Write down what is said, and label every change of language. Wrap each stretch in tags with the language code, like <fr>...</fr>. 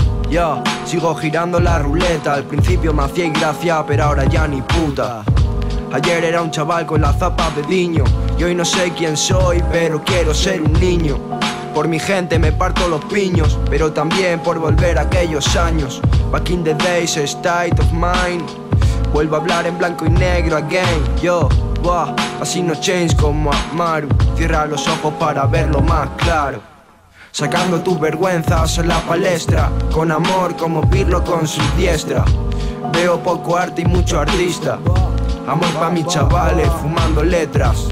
<es>Yo sigo girando la ruleta. Al principio me hacía gracia, pero ahora ya ni puta. Ayer era un chaval con las zapas de niño. Y hoy no sé quién soy, pero quiero ser un niño. Por mi gente me parto los piños, pero también por volver a aquellos años.</es> <en>Back in the days, state of mind.</en> <es>Vuelvo a hablar en blanco y negro</es> <en>again.</en> <es>Yo, wow, así</es> <en>no change</en> <es>como Amaru. Cierra los ojos para verlo más claro. Sacando tus vergüenzas a la palestra, con amor como Pirlo con su diestra. Veo poco arte y mucho artista. Amor pa' mis chavales fumando letras.</es>